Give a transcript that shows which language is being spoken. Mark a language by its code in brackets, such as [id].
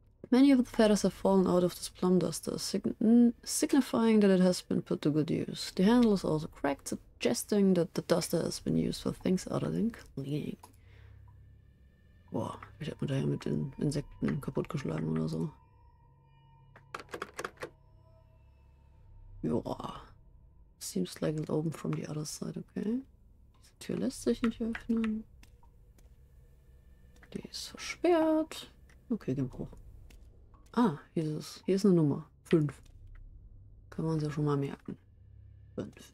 [en] Many of the feathers have fallen out of this plumduster, signifying that it has been put to good use. The handle is also cracked, suggesting that the duster has been used for things other than cleaning. [de] Boah, ich hab mir daher mit den Insekten kaputtgeschlagen oder so. Joah. [en] Seems like it's open from the other side, okay. [de] Tür lässt sich nicht öffnen. Die ist versperrt. Okay, gehen wir hoch. Ah, hier ist eine Nummer. 5. Können wir uns ja schon mal merken. 5.